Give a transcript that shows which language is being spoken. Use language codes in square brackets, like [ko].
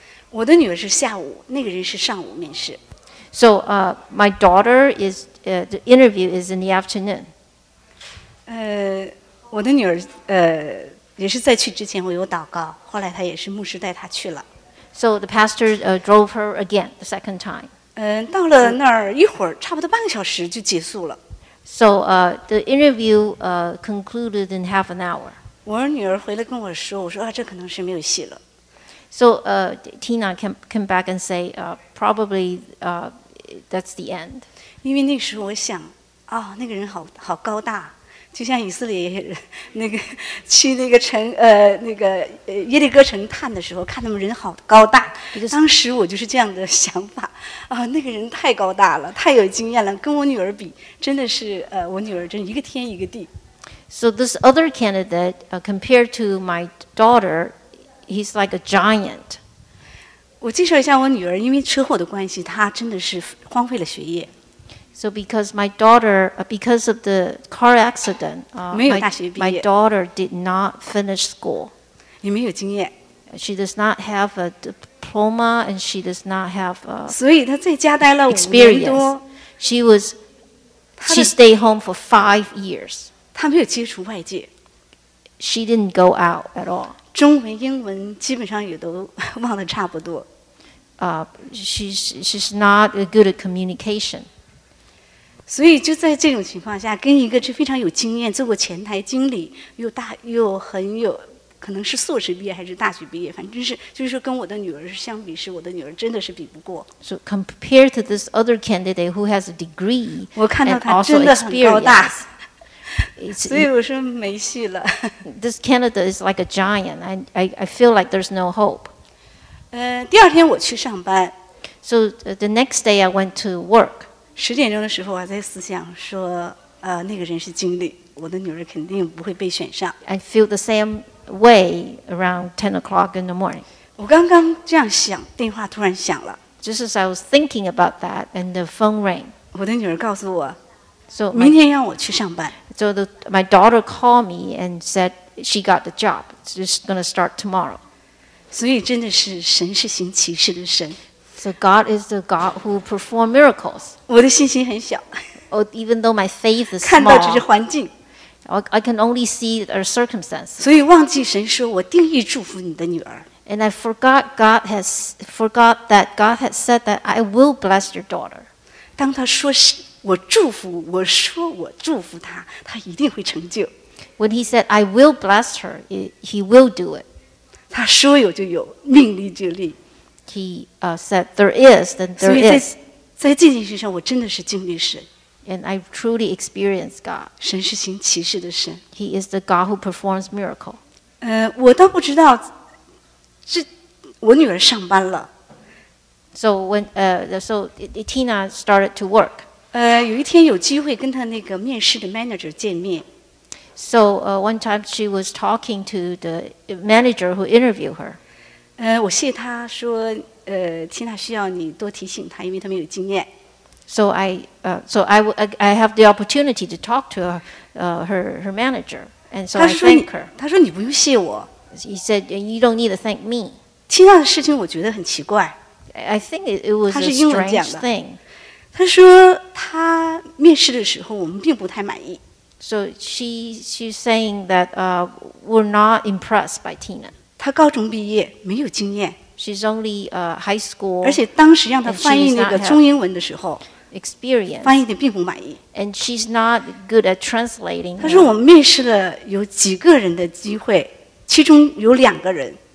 [zh] 我的女儿是下午，那个人是上午面试。 [en] So my daughter is the interview is in the afternoon. [zh] 我的女儿也是在去之前我有祷告，后来她也是牧师带她去了。 [en] So the pastor drove her again the second time. [zh] 到了那儿一会儿，差不多半个小时就结束了。 [en] So the interview concluded in half an hour. [zh] 我女儿回来跟我说，我说啊，这可能是没有戏了。 [en] So Tina came back and say probably that's the end. [zh] 因为那时候我想，啊、哦，那个人好高大。就像以色列人那个去那个城那个耶利哥城探的时候，看他们人好高大。 [en] Because, [zh] 当时我就是这样的想法啊，那个人太高大了，太有经验了，跟我女儿比，真的是我女儿真一个天一个地。 [en] So this other candidate, compared to my daughter, he's like a giant. [zh] 我介绍一下我女儿，因为车祸的关系，她真的是荒废了学业。 [en] So because my daughter, because of the car accident, my daughter did not finish school. [zh] 也没有经验。 [en] She does not have a diploma and she does not have a experience. [zh] 所以她在家待了五年多。 [en] She stayed home for 5 years. [zh] 她没有接触外界。 [en] She didn't go out at all. [zh] 中文、英文基本上也都忘得差不多。 [en] She's not a good at communication. [zh] 所以就在这种情况下，跟一个是非常有经验、做过前台经理，又很有可能是硕士毕业还是大学毕业，反正就是说跟我的女儿相比，是我的女儿真的是比不过。 [en] So compared to this other candidate who has a degree, [zh] 我看到她真的很高大， [en] also experience, [zh] 所以我说没戏了。 [en] This candidate is like a giant. I feel like there's no hope. [zh] 第二天我去上班。 [en] So the next day I went to work. [zh] 十点钟的时候，我在思想说，那个人是经理，我的女儿肯定不会被选上。 [en] I feel the same way around 10 o'clock in the morning. [zh] 我刚刚这样想，电话突然响了。 [en] Just as I was thinking about that, and the phone rang. [zh] 我的女儿告诉我 [en] ，So [zh] 明天让我去上班。 [en] So my daughter called me and said she got the job. She's gonna start tomorrow. [zh] 所以真的是神是行奇事的神。 [en] So God is the God who performs miracles. [zh] 我的信心很小。 [en] Oh, even though my faith is small. [zh] 看到只是环境。 [en] I can only see our circumstances. [zh] 所以忘记神说我定义祝福你的女儿。 [en] And I forgot that God has said that I will bless your daughter. [zh] 当他说我祝福，我说我祝福她，她一定会成就。 [en] When he said I will bless her, he will do it. [zh] 他说有就有，命立就立。 [en] He said, "There is, then there is." [zh] 在这件事上，我真的是经历神。 [en] And I truly experience God. [zh] 神是行奇事的神。 [en] He is the God who performs miracle. [zh] 我倒不知道，这我女儿上班了。 [en] So when Tina started to work. [zh] 有一天有机会跟她那个面试的 manager 见面。 [en] So one time she was talking to the manager who interviewed her. [zh] 我谢他说，Tina需要你多提醒他，因为他没有经验。 [en] So I have the opportunity to talk to her manager, and so I thank her. [zh] 他说你不用谢我。 [en] He said you don't need to thank me. [zh] Tina 的事情我觉得很奇怪。 [en] I think it was a strange thing. [zh] 他说他面试的时候我们并不太满意。 [en] So she's saying that we're not impressed by Tina. [zh] 他高中毕业没有经验。 [en] She's only high school. [zh] 而且当时让他翻译那个中英文的时候 [en] ，experience [zh] 翻译的并不满意。 [en] And she's not good at translating. [zh] 他说我们面试了有几个人的机会，其中有两个人。